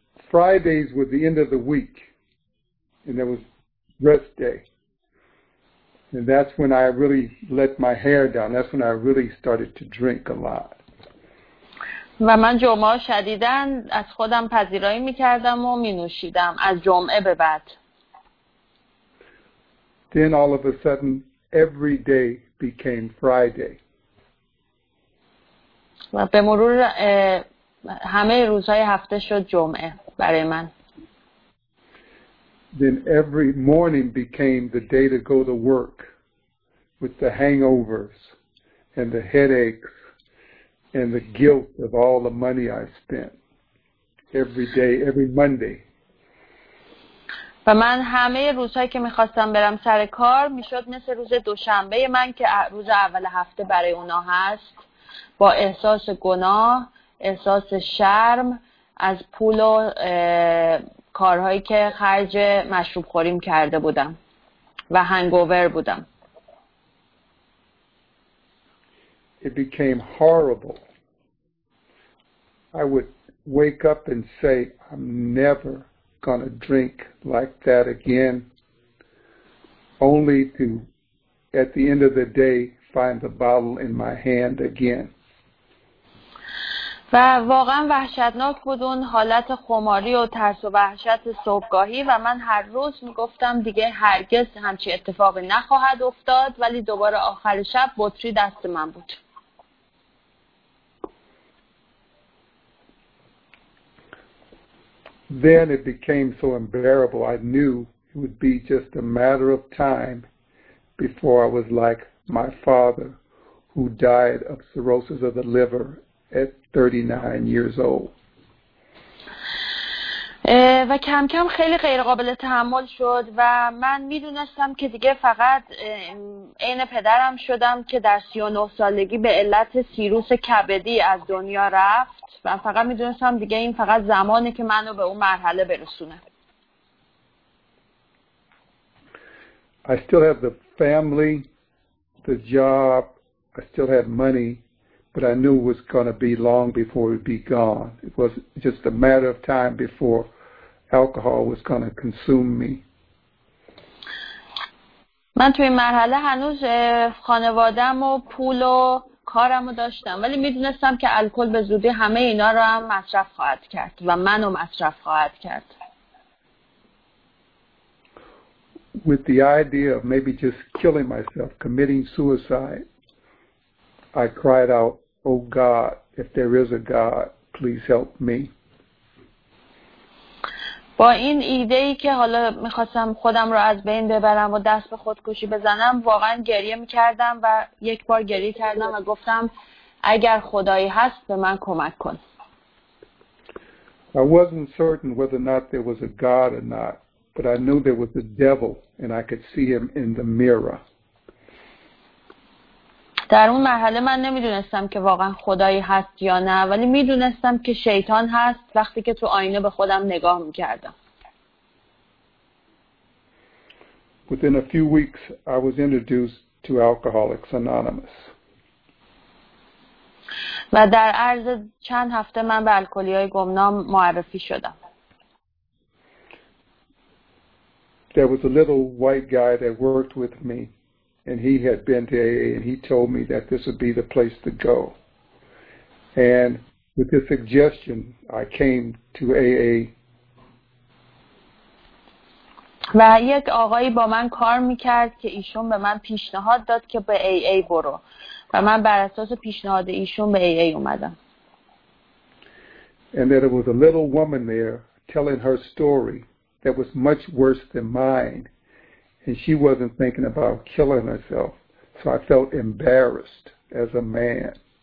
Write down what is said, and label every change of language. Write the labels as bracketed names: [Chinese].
[English] Fridays were the end of the week, and there was rest day. And that's when I really let my hair down. That's when I really started to drink a lot. [Persian] و من جمعه شدیداً از خودم پذیرایی می‌کردم و می‌نوشیدم از جمعه به بعد. [English] Then all of a sudden, every day became Friday. [Persian] و به مرور همه روزهای هفته شد جمعه. برای من. [English] Then every morning became the day to go to work with the hangovers and the headaches and the guilt of all the money I spent every day, every Monday. [Persian] و من همه روزهایی که میخواستم برم سر کار میشد مثل روز دوشنبه من که روز اول هفته برای اونا هست با احساس گناه، احساس شرم از پول و کارهایی که خرج مشروب خوریم کرده بودم و هنگوور بودم. [English] It became horrible. I would wake up and say, I'm never going to drink like that again. Only to, at the end of the day, find the bottle in my hand again. [Persian] و واقعا وحشتناک بود اون حالت خماری و ترس و وحشت صبحگاهی و من هر روز میگفتم دیگه هرگز همچی اتفاقی نخواهد افتاد ولی دوباره آخر شب بطری دست من بود. [English] Then it became so unbearable. I knew it would be just a matter of time before I was like my father who died of cirrhosis of the liver at 39 years old. [Persian] و کم کم خیلی غیر قابل تحمل شد و من میدونستم که دیگه فقط عین پدرم شدم که در 39 سالگی به علت سیروس کبدی از دنیا رفت و فقط میدونستم دیگه این فقط زمانی که منو به اون مرحله برسونه. [English] I still have the family, the job, I still have money, but I knew it was going to be long before we'd be gone. It was just a matter of time before alcohol was going to consume me. [Persian] من توی مرحله هنوز خانواده‌ام و پول و کارم رو داشتم ولی میدونستم که الکل به زودی همه اینا رو هم مصرف خواهد کرد و منو مصرف خواهد کرد. [English] With the idea of maybe just killing myself, committing suicide, I cried out, "Oh God, if there is a God, please help me." [Persian] با این ایده ای که حالا میخواستم خودم رو از بین ببرم و دست به خودکشی بزنم واقعا گریه میکردم و یک بار گریه کردم و گفتم اگر خدایی هست به من کمک کن. [English] I wasn't certain whether or not there was a God or not, but I knew there was a devil and I could see him in the mirror. [Persian] در اون مرحله من نمیدونستم که واقعا خدایی هست یا نه ولی میدونستم که شیطان هست وقتی که تو آینه به خودم نگاه میکردم. [English] Within a few weeks I was introduced to Alcoholics Anonymous. [Persian] و در عرض چند هفته من به الکلی‌های گمنام معرفی شدم. [English] There was a little white guy that worked with me. And he had been to AA, and he told me that this would be the place to go. And with this suggestion, I came to AA. [Persian] و یک آقایی با من کار میکرد که ایشون به من پیشنهاد داد که به AA برو. و من بر اساس پیشنهاد ایشون به AA اومدم. [English] And there was a little woman there telling her story that was much worse than mine. And she wasn't thinking about killing herself, so I felt embarrassed as a man.